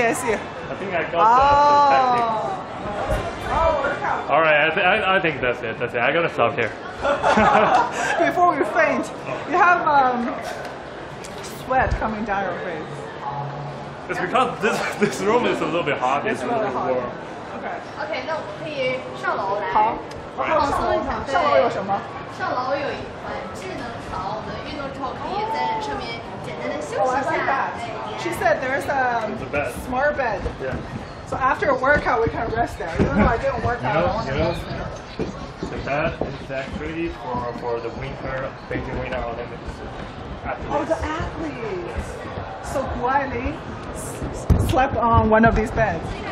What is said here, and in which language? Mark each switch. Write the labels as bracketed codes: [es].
[en] I think I got the technique. Oh, workout. All right, I think that's it. I gotta stop here. Before we faint, you have sweat coming down your face. It's because this room is a little bit hot. It's really hot. Okay. [zh] Okay, 那我可以上楼来。好。上楼有什么？上楼有一款智能床，我们运动之后可以在上面简单的休息一下。Oh, [en] I like that. She said there's a smart bed. Yeah. So after a workout, we can rest there. Even though I didn't work out, I want to rest there. The bed is actually for the winter, Beijing Winter Olympics athletes. Oh, the athletes. So Guai Lin slept on one of these beds.